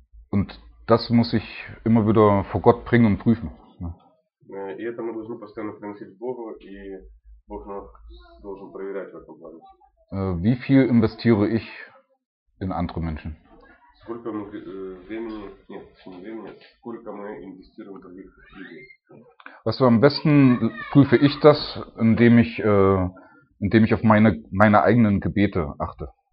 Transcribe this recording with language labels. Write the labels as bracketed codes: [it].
[de] Und das muss ich immer wieder vor Gott bringen und prüfen. [ru] И это мы должны постоянно приносить Богу, и Бог нас должен проверять в этом плане. [de] Wie viel investiere ich in andere Menschen? [ru] Сколько мы времени, нет, не времени, сколько мы инвестируем в других людей? [de] Weißt du, am besten prüfe ich das, indem ich auf meine eigenen Gebete achte.